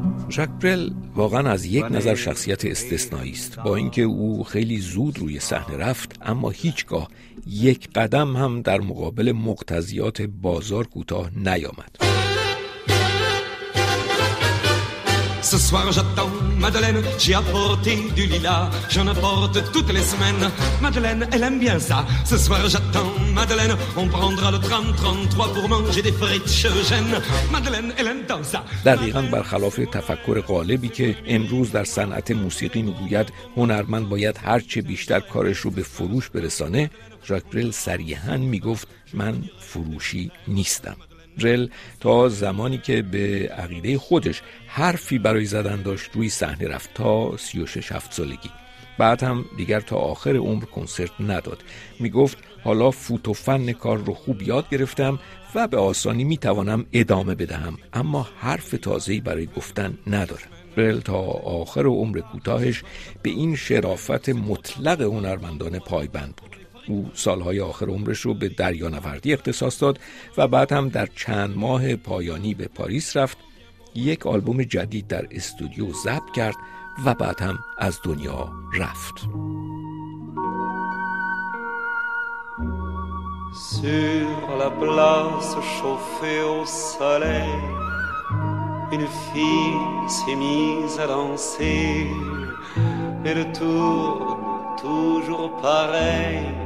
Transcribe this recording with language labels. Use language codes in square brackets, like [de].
[fa] ژاک برل واقعا از یک نظر شخصیت استثنایی است. با اینکه او خیلی زود روی صحنه رفت، اما هیچگاه یک قدم هم در مقابل مقتضیات بازار کوتاه نیامد. [fr] Ce soir j'attends Madeleine, j'ai apporté du lilas, j'en apporte toutes les semaines. Madeleine, elle aime bien ça. Ce soir j'attends Madeleine, on prendra le tram 33 pour manger des frites Eugène. Madeleine, elle aime tant ça. [fa] دقیقاً برخلاف تفکر غالبی که امروز در صنعت موسیقی میگوید هنرمند باید هر چه بیشتر کارش رو به فروش برسانه، ژاک برل صریحاً میگفت من فروشی نیستم. برل تا زمانی که به عقیده خودش حرفی برای زدن داشت روی صحنه رفت، تا 36-7 سالگی. بعد هم دیگر تا آخر عمر کنسرت نداد. می گفت حالا فوت و فن کار رو خوب یاد گرفتم و به آسانی می توانم ادامه بدهم، اما حرف تازهی برای گفتن ندارم. برل تا آخر عمر کوتاهش به این شرافت مطلق هنرمندان پایبند بود. او سالهای آخر عمرش رو به دریانوردی اختصاص داد و بعد هم در چند ماه پایانی به پاریس رفت، یک آلبوم جدید در استودیو ضبط کرد و بعد هم از دنیا رفت. [fr] Sur la place chauffée au soleil, une fille s'est mise à danser, elle tourne toujours pareil.